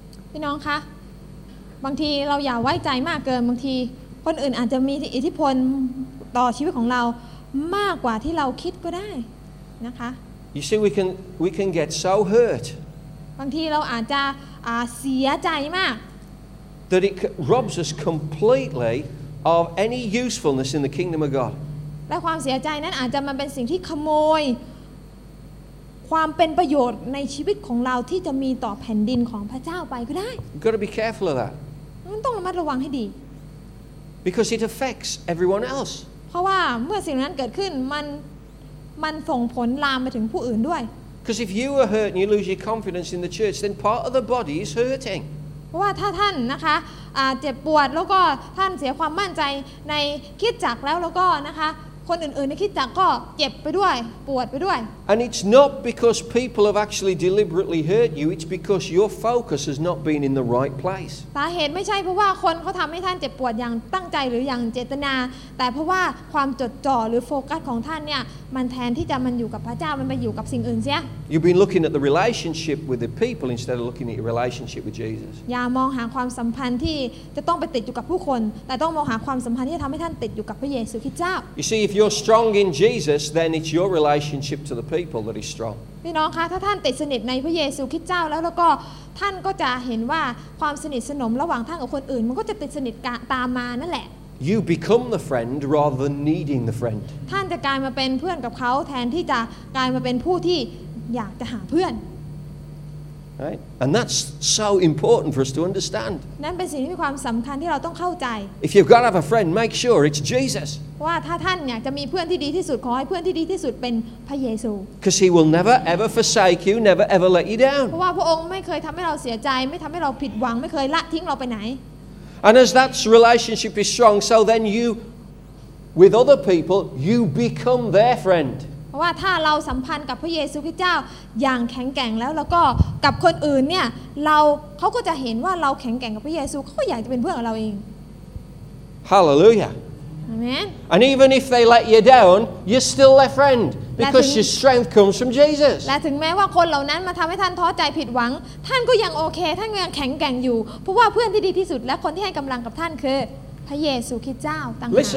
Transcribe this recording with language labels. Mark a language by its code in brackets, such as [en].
[th] พี่น้องคะบางทีเราอย่าไว้ใจมากเกินบางทีคนอื่นอาจจะมีอิทธิพลต่อชีวิตของเรามากกว่าที่เราคิดก็ได้นะคะ [en] You see, we can get so hurt. [th] บางทีเราอาจจะเสียใจมาก [en] That it robs us completely of any usefulness in the kingdom of God. [th] และความเสียใจนั้นอาจจะมันเป็นสิ่งที่ขโมยความเป็นประโยชน์ในชีวิตของเราที่จะมีต่อแผ่นดินของพระเจ้าไปก็ได้ [en] Got to be careful of that [th] มันต้องระมัดระวังให้ดี [en] Because it affects everyone else [th] เพราะว่าเมื่อสิ่งนั้นเกิดขึ้นมันส่งผลลามไปถึงผู้อื่นด้วย [en] Because if you are hurt and you lose your confidence in the church then part of the body is hurting [th] เพราะว่าถ้าท่านนะคะเจ็บปวดแล้วก็ท่านเสียความมั่นใจในคิดจักแล้วก็นะคะคนอื่นๆในคิดจักก็เจ็บไปด้วยปวดไปด้วย [en] And it's not because people have actually deliberately hurt you it's because your focus has not been in the right place [th] สาเหตุไม่ใช่เพราะว่าคนเขาทำให้ท่านเจ็บปวดอย่างตั้งใจหรืออย่างเจตนาแต่เพราะว่าความจดจ่อหรือโฟกัสของท่านเนี่ยมันแทนที่จะมันอยู่กับพระเจ้ามันไปอยู่กับสิ่งอื่นเสีย [en] You've been looking at the relationship with the people instead of looking at your relationship with Jesus [th] อย่ามองหาความสัมพันธ์ที่จะต้องไปติดอยู่กับผู้คนแต่ต้องมองหาความสัมพันธ์ที่ทำให้ท่านติดอยู่กับพระเยซูคริสต์เจ้า [en] You see if you're strong in Jesus then it's your relationship to the people that is strong [th] พี่น้องคะถ้าท่านติดสนิทในพระเยซูคริสต์เจ้าแล้วก็ท่านก็จะเห็นว่าความสนิทสนมระหว่างท่านกับคนอื่นมันก็จะติดสนิทตามมานั่นแหละ [en] You become the friend rather than needing the friend. [th] ท่านจะกลายมาเป็นเพื่อนกับเขาแทนที่จะกลายมาเป็นผู้ที่อยากจะหาเพื่อน [en] Right, and that's so important for us to understand. [th] นั่นเป็นสิ่งที่มีความสำคัญที่เราต้องเข้าใจ [en] If you've got to have a friend, make sure it's Jesus. [th] ว่าถ้าท่านอยากจะมีเพื่อนที่ดีที่สุดขอให้เพื่อนที่ดีที่สุดเป็นพระเยซู [en] Because he will never ever forsake you, never ever let you down. [th] เพราะว่าพระองค์ไม่เคยทำให้เราเสียใจไม่ทำให้เราผิดหวังไม่เคยละทิ้งเราไปไหน [en] And as that relationship is strong, so then you, with other people, you become their friend. [th] พราะว่าถ้าเราสัมพันธ์กับพระเยซูคริสต์เจ้าอย่างแข็งแกร่งแล้วแล้วก็กับคนอื่นเนี่ยเราเขาก็จะเห็นว่าเราแข็งแกร่งกับพระเยซูเขาก็อยากจะเป็นเพื่อนของเราเอง ฮาเลลูยา อาเมน [en] and even if they let you down you're still their friendBecause your strength comes from Jesus. [th] และถึงแม้ว่าคนเหล่านั้นมาทำให้ท่านท้อใจผิดหวังท่านก็ยังโอเคท่านก็ยังแข็งแกร่งอยู่เพราะว่าเพื่อนที่ดีที่สุดและคนที่ให้กำลังกับท่านคือพระเยซูคริสต์เจ้าต่างหาก